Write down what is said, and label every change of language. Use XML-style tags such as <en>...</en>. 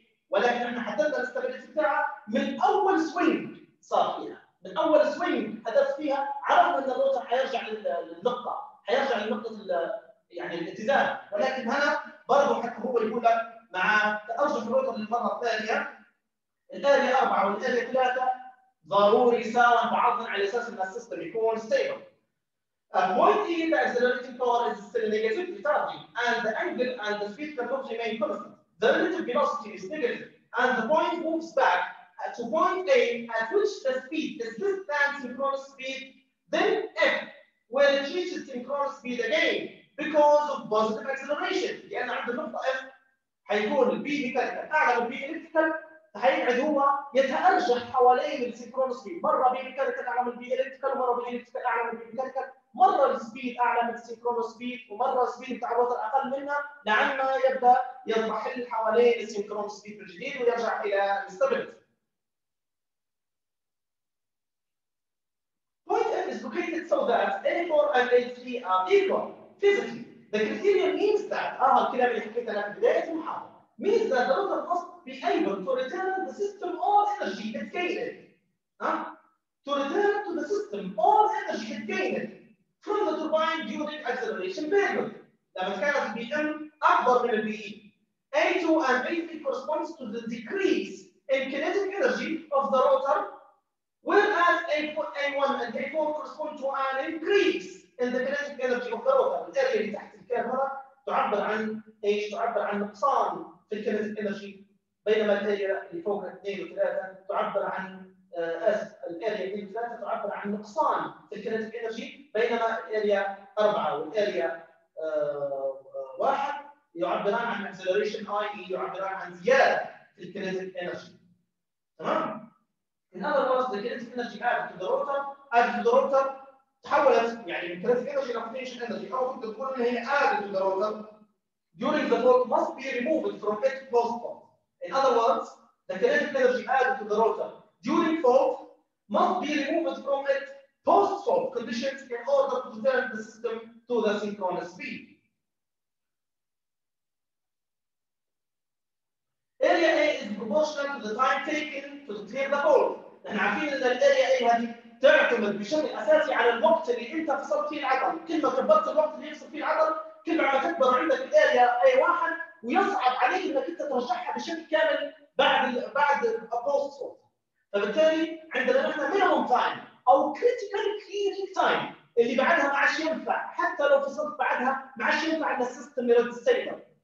<ar>ولكن احنا حددنا الاستابيليتي بتاعها من اول سوينج صار فيها، من اول سوينج حدث فيها عرفنا ان الروتر حيرجع للنقطه، حيرجع لنقطه يعني الاتزان، ولكن هنا برضه حتى هو يقول لك مع تارجح الروتر للمره الثانيه الاريا 4 والاريا 3 ضروري يساوى بعضهم على اساس ان السيستم يكون ستيبل.</ar> <en>Point E, the accelerating power is still negative retarding and the angle and the speed cannot remain constant. The relative velocity is negative and the point moves back to point A at which the speed is less than synchronous speed, then F will reach its synchronous speed again because of positive acceleration.</en> <ar>لأن عند النقطة F حيكون الـ B ميكانيكال أعلى من الـ B إلكتريكال، فحيقعد هو يتأرجح حوالين الـ synchronous speed، مرة B ميكانيكال أعلى من الـ B إلكتريكال، مرة B إلكتريكال أعلى من الـ B ميكانيكال، مرة الـ speed أعلى من الـ synchronous speed، ومرة الـ speed بتاع الروتر أقل منها، لعما يبدأ يضمحل حوالين الـ synchronous speed الجديد ويرجع إلى الـ stability.</ar> <en>Point F is located so that A4 and A3 are equal physically. The criterion means that</en> <ar>الكلام اللي حكيته انا في بداية المحاضرة</ar> <en>means that the rotor must be able to return the system all energy it gained. To return to the system all energy it gained from the turbine during acceleration period.</en> <ar>لما كانت Bm أكبر من Be.</ar> <en>A2 and A3 corresponds to the decrease in kinetic energy of the rotor. Whereas A1 and A4 correspond to an increase in the kinetic energy of the rotor.</en> <ar>الأريا اللي تحت الكيرف هذا تعبر عن ايش؟ تعبر عن نقصان في الكينيتيك انرجي، بينما الأريا اللي فوق 2 و3 تعبر عن الأريا 2 و3 تعبر عن نقصان في الكينيتيك انرجي، بينما الأريا 4 والأريا 1 يعبران عن acceleration IE يعبران عن زيادة في الكينيتيك انرجي.</ar> <en>تمام؟ In other words, the kinetic energy added to the rotor,</en> <ar>تحولت يعني من</ar> <en>kinetic energy إلى potential energy،</en> <ar>أو ممكن تقول إن هي</ar> <en>added to the rotor during the fault must be removed from its post fault. In other words, the kinetic energy added to the rotor during fault must be removed from its post fault conditions in order to return the system to the synchronous speed. Area A is proportional to the time taken to clear the hole.</en> <ar>نحن عارفين ان الاريا A هذه تعتمد بشكل اساسي على الوقت اللي انت فصلت فيه العدد، كل ما كبرت الوقت اللي يفصل فيه العدد، كل ما تكبر عندك الاريا اي واحد ويصعب عليك انك انت ترجعها بشكل كامل بعد البوست فولت. فبالتالي عندنا نحن مينيموم تايم او كريتيكال كليرنج تايم اللي بعدها ما عادش ينفع، حتى لو فصلت بعدها ما عادش ينفع ان السيستم يرد السيستم.</ar>